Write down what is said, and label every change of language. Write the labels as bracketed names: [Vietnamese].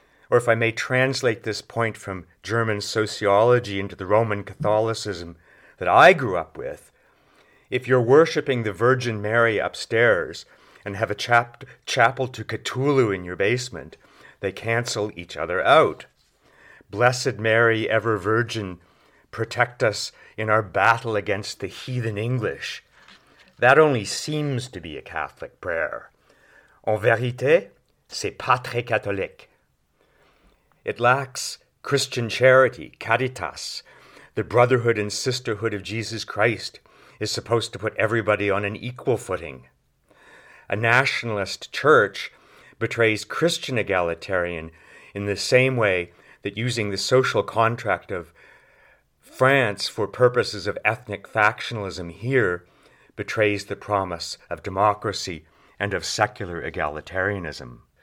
[English] Or if I may translate this point from German sociology into the Roman Catholicism that I grew up with, if you're worshipping the Virgin Mary upstairs and have a chapel to Cthulhu in your basement, they cancel each other out. Blessed Mary, ever virgin, protect us in our battle against the heathen English. That only seems to be a Catholic prayer. [French] En vérité, c'est pas très catholique. [English] It lacks Christian charity, caritas. The brotherhood and sisterhood of Jesus Christ is supposed to put everybody on an equal footing. A nationalist church betrays Christian egalitarian in the same way that using the social contract of France for purposes of ethnic factionalism here betrays the promise of democracy and of secular egalitarianism.